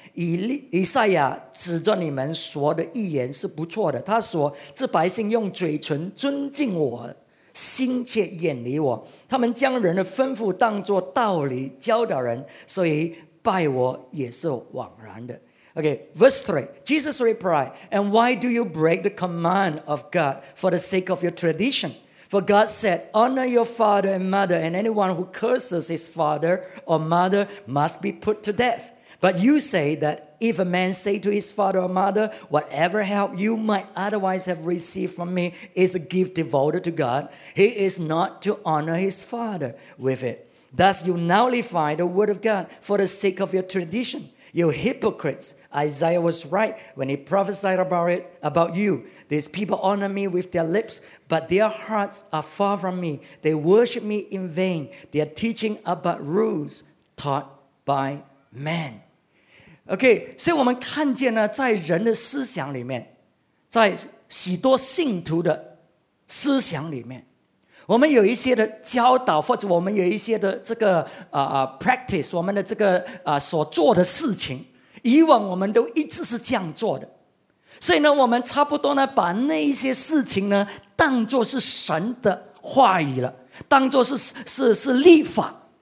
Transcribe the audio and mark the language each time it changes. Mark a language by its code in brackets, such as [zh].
[zh] 以赛亚指着你们说的预言是不错的他说这百姓用嘴唇尊敬我心却远离我他们将人的吩咐当作道理教导人所以拜我也是枉然的 [en] Okay, verse 3 Jesus replied And why do you break the command of God for the sake of your tradition? For God said, honor your father and mother, and anyone who curses his father or mother must be put to death. But you say that if a man say to his father or mother, whatever help you might otherwise have received from me is a gift devoted to God, he is not to honor his father with it. Thus you nullify the word of God for the sake of your tradition. You hypocrites, Isaiah was right when he prophesied about you. These people honor me with their lips, but their hearts are far from me. They worship me in vain. They are teaching about rules taught by men. [zh] Okay, 所以我们看见呢，在人的思想里面，在许多信徒的思想里面，我们有一些的教导，或者我们有一些的这个practice， 我们的这个所做的事情，以往我们都一直是这样做的，所以呢，我们差不多呢，把那一些事情呢，当作是神的话语了，当作是律法。